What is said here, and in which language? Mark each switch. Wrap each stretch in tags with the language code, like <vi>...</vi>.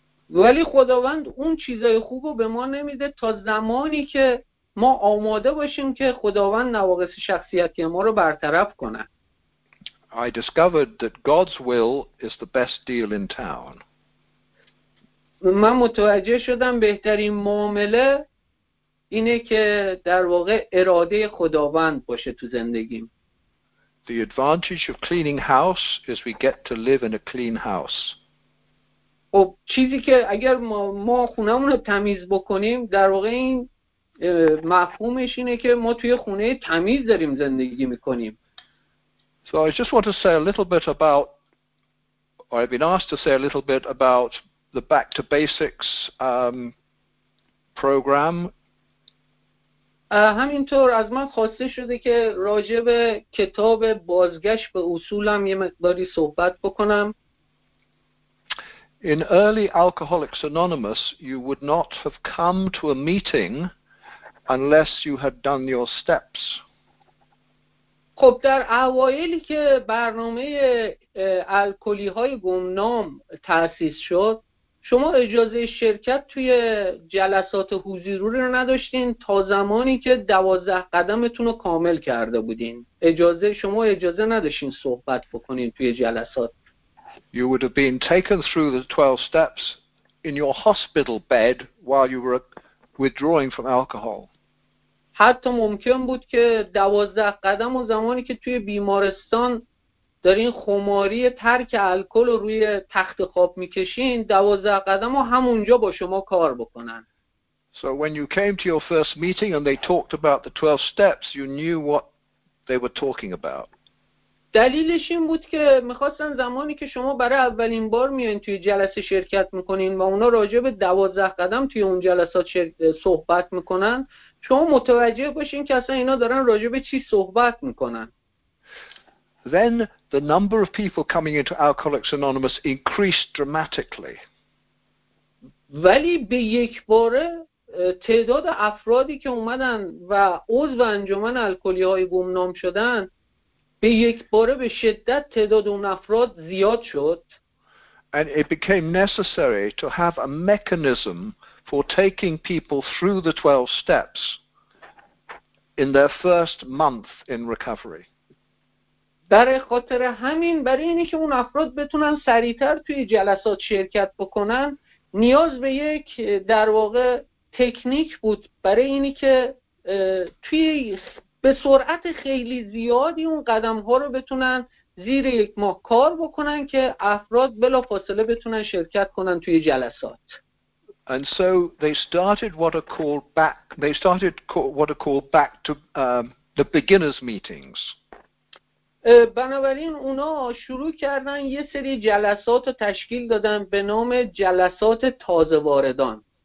<fa>ولی خداوند اون چیزای خوبو به ما نمیده تا زمانی که ما آماده باشیم که خداوند نواقص شخصیتی ما رو برطرف کنه.</fa> <en>I discovered that God's will is the best deal in town.</en> <fa>من متوجه شدم بهترین معامله اینه که در واقع اراده خداوند باشه تو زندگیم.</fa> <en>The advantage of cleaning house is we get to live in a clean house.</en> <fa>و چیزی که اگر ما خونمون رو تمیز بکنیم در واقع این مفهومش اینه که ما توی خونه تمیز داریم زندگی میکنیم.</fa> <en>So I just want to say a little bit about, or I've been asked to say a little bit about the Back to Basics program.</en> <fa>همینطور از من خواسته شده که راجع به کتاب بازگشت به اصولم یه مقداری صحبت بکنم.</fa> <en>In early Alcoholics Anonymous, you would not have come to a meeting unless you had done your steps.</en> <fa>خب در اوائلی که برنامه الکلی های گمنام تأسیس شد، شما اجازه شرکت توی جلسات حضوری رو نداشتین تا زمانی که 12 قدمتون رو کامل کرده بودین. شما اجازه نداشتین صحبت بکنین توی جلسات.</fa> <en>You would have been taken through the 12 steps in your hospital bed while you were withdrawing from alcohol.</en> <fa>حتی ممکن بود که 12 قدم و زمانی که توی بیمارستان دارین خماری ترک الکل رو روی تخت خواب میکشین 12 قدم رو همونجا با شما کار بکنن.</fa> <en>So when you came to your first meeting and they talked about the 12 steps, you knew what they were talking about.</en> <fa>دلیلش این بود که میخواستن زمانی که شما برای اولین بار میایین توی جلسه شرکت میکنین و اونا راجع به 12 قدم توی اون جلسات صحبت میکنن، شما متوجه باشین که اصلا اینا دارن راجع به چی صحبت میکنن.</fa> <en>Then the number of people coming into Alcoholics Anonymous increased dramatically.</en> <fa>ولی به یک باره تعداد افرادی که اومدن و عضو انجمن الکلی های گمنام شدن به یک باره به شدت تعداد اون افراد زیاد شد.</fa> <en>And it became necessary to have a mechanism for taking people through the 12 steps in their first month in recovery.</en> <fa>برای خاطر همین، برای اینی که اون افراد بتونن سریعتر توی جلسات شرکت بکنن، نیاز به یک در واقع تکنیک بود برای اینی که توی به سرعت خیلی زیادی اون قدم‌ها رو بتونن زیر یک ماه کار بکنن که افراد بلافاصله بتونن شرکت کنن توی جلسات.</fa> <en>And so they started what are called back. They started what are called back to the beginners meetings.</en> <fa>بنابراین اونا شروع کردن یه سری جلسات رو تشکیل دادن به نام جلسات تازه واردان.</fa>